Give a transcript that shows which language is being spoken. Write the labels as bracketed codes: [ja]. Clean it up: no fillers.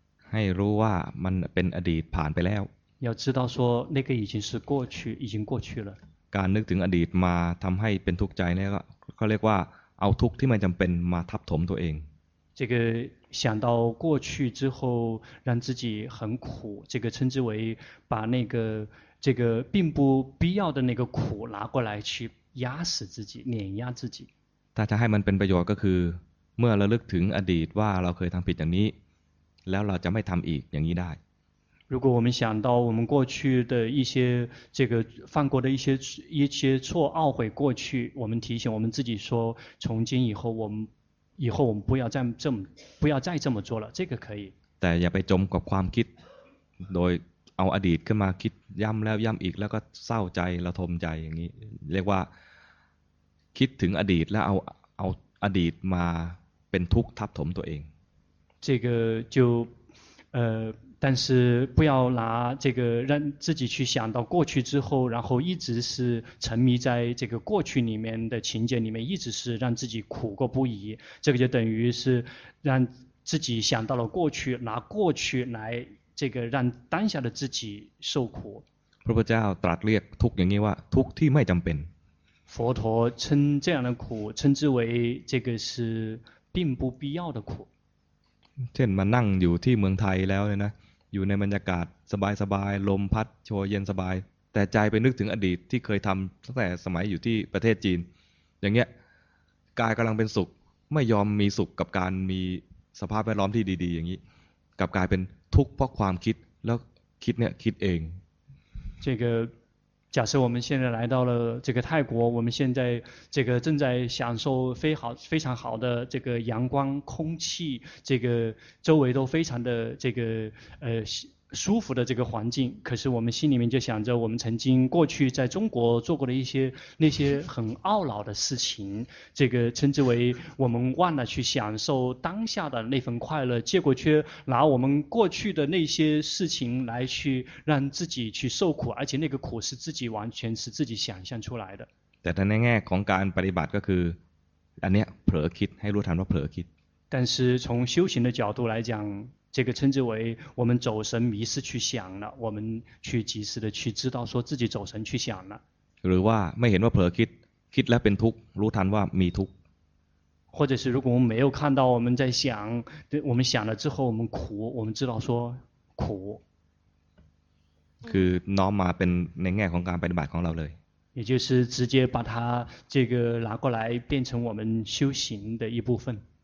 [th] ให้รู้ว่ามันเป็นอดีตผ่านไปแล้ว [zh] 要知道说那个已经是过去，已经过去了。 [th] การนึกถึงอดีตมาทำให้เป็นทุกข์ใจเนี่ยก็เรียกว่าเอาทุกข์ที่มันจำเป็นมาทับถมตัวเอง [zh] 这个想到过去之后让自己很苦，这个称之为把那个这个并不必要的那个苦拿过来去压死自己，碾压自己。 [th] ถ้าจะให้มันเป็นประโยชน์ก็คือเมื่อเราลึกถึงอดีตว่าเราเคยทำผิดอย่างนี้แล้วเราจะไม่ทำอีกอย่างนี้ได้ [zh] 如果我们想到我们过去的一些这个犯过的一些错懊悔过去，我们提醒我们自己说，从今以后我们不要再这么做了，这个可以。 [th] แต่อย่าไปจมกับความคิดโดยเอาอดีตขึ้นมาคิดย้ำแล้วย้ำอีกแล้วก็เศร้าใจระทมใจอย่างนี้เรียกว่าคิดถึงอดีตแล้วเอาอดีตมาเป็นทุกข์ทับถมตัวเอง [zh] 这个就但是不要拿这个让自己去想到过去之后，然后一直是沉迷在这个过去里面的情节里面，一直是让自己苦过不已。这个就等于是让自己想到了过去，拿过去来这个让当下的自己受苦。 [th] พระพุทธเจ้าตรัสเรียกทุกข์อย่างนี้ว่าทุกข์ที่ไม่จำเป็น [zh] 佛陀称这样的苦称之为这个是并不必要的苦。 [th] เช่นมานั่งอยู่ที่เมืองไทยแล้วเนี่ยนะอยู่ในบรรยากาศสบายๆลมพัดโชยเย็นสบายแต่ใจไปนึกถึงอดีตที่เคยทำตั้งแต่สมัยอยู่ที่ประเทศจีนอย่างเงี้ยกายกำลังเป็นสุขไม่ยอมมีสุขกับการมีสภาพแวดล้อมที่ดีๆอย่างนี้กลับกลายเป็นทุกข์เพราะความคิดแล้วคิดเนี่ยคิดเอง [zh] 这个假设我们现在来到了这个泰国，我们现在这个正在享受非常好的这个阳光、空气，这个周围都非常的这个舒服的这个环境。可是我们心里面就想着，我们曾经过去在中国做过的一些那些很懊恼的事情，这个称之为我们忘了去享受当下的那份快乐，结果却拿我们过去的那些事情来去让自己去受苦，而且那个苦是自己完全是自己想象出来的。 [th] แต่ในแง่ของการปฏิบัติก็คืออันเนี้ยเผลอคิดให้รู้ทันว่าเผลอคิด。 [zh] 但是从修行的角度来讲。这个称之为我们走神迷失去想了，我们去及时的去知道说自己走神去想了。 [th] หรือว่าไม่เห็นว่าเผลอคิดคิดแล้วเป็นทุกข์รู้ทันว่ามีทุกข์。 [zh] 或者是如果我们没有看到我们在想，我们想了之后我们苦，我们知道说苦。 [th] คือน้อมมาเป็นในแง่ของการปฏิบัติของเราเลย。 [zh] 也就是直接把它这个拿过来变成我们修行的一部分。